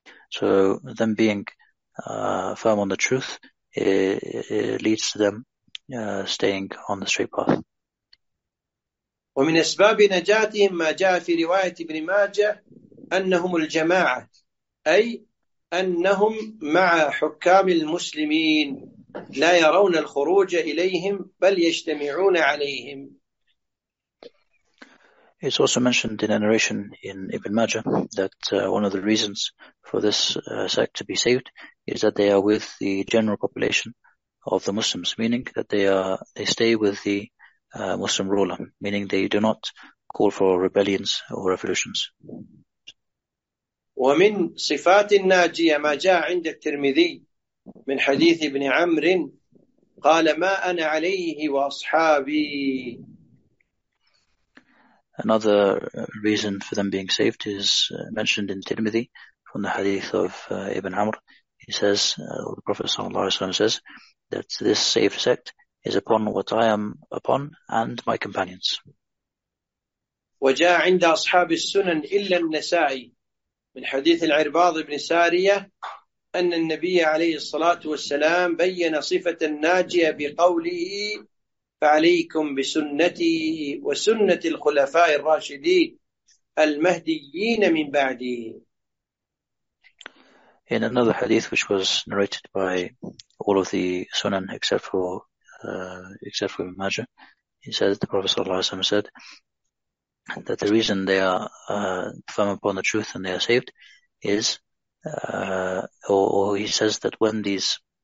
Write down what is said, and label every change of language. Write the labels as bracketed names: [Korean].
[English] So them being firm on the truth, it leads to them staying on the straight path. [Arabic] ومن أسباب نجاتهم ما جاء في رواية ابن ماجة أنهم الجماعة أي أنهم مع حكام المسلمين لا يرون الخروج إليهم بل يجتمعون عليهم. [English] It's also mentioned in a narration in Ibn Majah that one of the reasons for this sect to be saved is that they are with the general population of the Muslims, meaning that they stay with the Muslim ruler, meaning they do not call for rebellions or revolutions. [Arabic] ومن صفات الناجية ما جاء عند الترمذي من حديث ابن عمرو قال ما أنا عليه وأصحابي. [English] Another reason for them being saved is mentioned in Tirmidhi from the hadith of Ibn Amr. He says, the Prophet ﷺ says, that this saved sect is upon what I am upon and my companions. [Arabic] وجاء عند أصحاب السنن إلا النسائي من حديث العرباض بن سارية أن النبي عليه الصلاة والسلام بين صفة الناجية بقوله فعليكم بسنتي وسنة الخلفاء الراشدين المهديين من بعدي. [English] In another hadith which was narrated by all of the Sunan except for Ibn Majah, he says, the Prophet ﷺ said that the reason they are firm upon the truth and they are saved is, or he says that when these